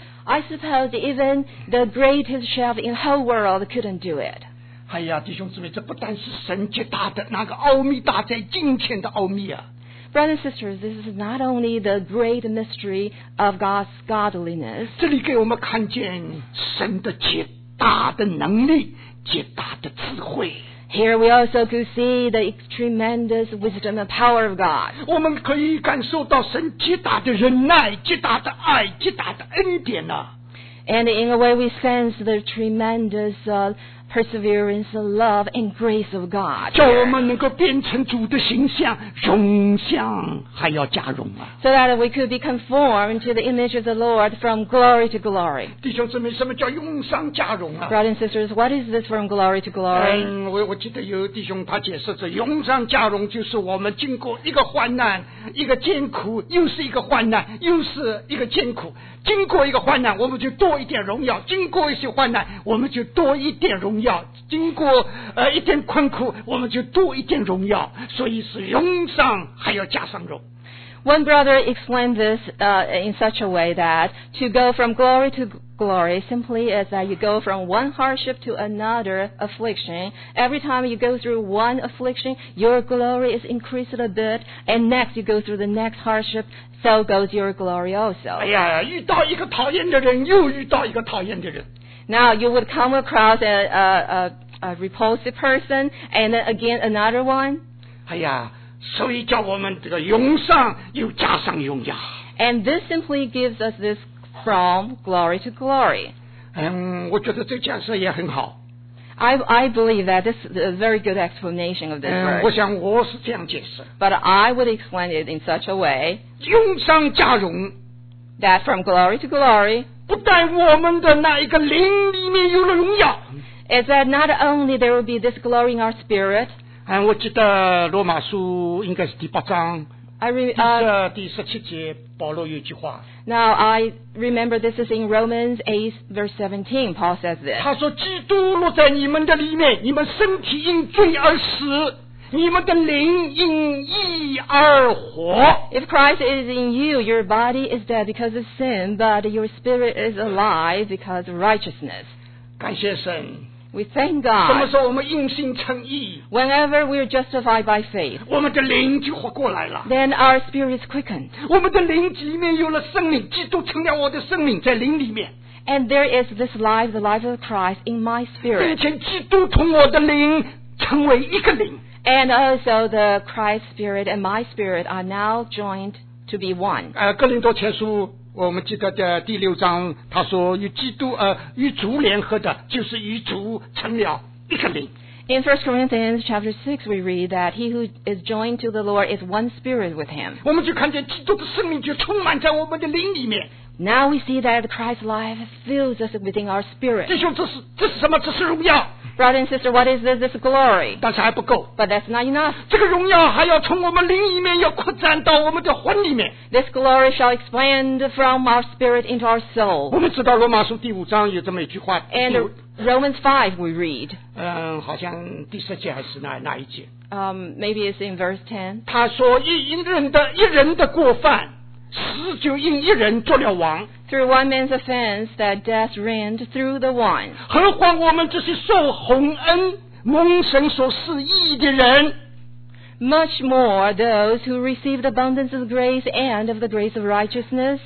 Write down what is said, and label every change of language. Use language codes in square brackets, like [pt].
[en] I suppose even the greatest chef in the whole world couldn't do it. [zh] 哎呀，弟兄姊妹，这不但是神迹大的那个奥秘，大在金钱的奥秘啊。 [en] Brothers and sisters, this is not only the great mystery of God's godliness. [zh] 这里给我们看见神的极大的能力，极大的智慧。 [en] Here we also could see the tremendous wisdom and power of God. We can feel God's And in a way, we sense the tremendous perseverance, love, and grace of God. So that we could be conformed to the image of the Lord from glory to glory. [zh] 弟兄姊妹，什么叫用上加荣啊？ [en] Brothers and sisters, what is this from glory to glory? [zh] 我记得有弟兄他解释着，用上加荣就是我们经过一个患难，一个艰苦，又是一个患难，又是一个艰苦。经过一个患难，我们就多一点荣耀；经过一些患难，我们就多一点荣耀；经过一点困苦，我们就多一点荣耀。所以是荣上还要加上荣。 [en] One brother explained this in such a way that to go from glory to glory simply is that you go from one hardship to another affliction. Every time you go through one affliction, your glory is increased a bit, and next you go through the next hardship, so goes your glory also. [zh] 哎呀，遇到一个讨厌的人，又遇到一个讨厌的人。 [en] Now you would come across a repulsive person, and then again another one. [zh] 哎呀。所以叫我们这个荣上又加上荣耀。 [en] And this simply gives us this from glory to glory. [zh] 我觉得这解释也很好。 [en] I believe that this is a very good explanation of this verse. [zh] 我想我是这样解释。 [en] But I would explain it in such a way. [zh] 荣上加荣。 [en] That from glory to glory. [zh] 不但我们的那一个灵里面有了荣耀。 [en] Is that not only there will be this glory in our spirit. [zh] 我记得罗马书应该是第八章第十七节保罗有句话 [en] Now I remember this is in Romans 8 verse 17 Paul says this [zh] 他说基督落在你们的里面你们身体因罪而死你们的灵因义而活 [en] If Christ is in you your body is dead because of sin but your spirit is alive because of righteousness [zh] 感谢神 [en] We thank God. [zh] 什么时候我们因信称义 [en] Whenever we are justified by faith, [zh] 我们的灵就活过来了 [en] then our spirit is quickened. [zh] 我们的灵里面有了生命，基督成了我的生命，在灵里面。 [en] And there is this life, the life of Christ in my spirit. [zh] 并且基督同我的灵成为一个灵。 [en] And also the Christ spirit and my spirit are now joined to be one. [zh] 哥林多前书我们记得的第六章他说与基督与主联合的就是与主成了一个灵 [en] In 1 Corinthians chapter 6 we read that he who is joined to the Lord is one spirit with him [zh] 我们就看见基督的生命就充满在我们的灵里面 [en] Now we see that Christ's life fills us within our spirit [zh] 弟兄这是什么这是荣耀 [en] Brother and sister what is this this glory [zh] 但是还不够 [en] But that's not enough [zh] 这个荣耀还要从我们灵里面要扩展到我们的魂里面 [en] This glory shall expand from our spirit into our soul. [zh] 我们知道罗马书第五章有这么一句话。 [en] And Romans 5 we read. [zh] 好像第十节还是哪一节。 [en] Maybe it's in verse 10. [zh] 他说一人的过犯死就因一人做了王。 [en] Through one man's offense that death reigned through the one. [zh] 何况我们这些受洪恩蒙神所赐义的人。 [en] Much more those who receive the abundance of grace and of the grace of righteousness.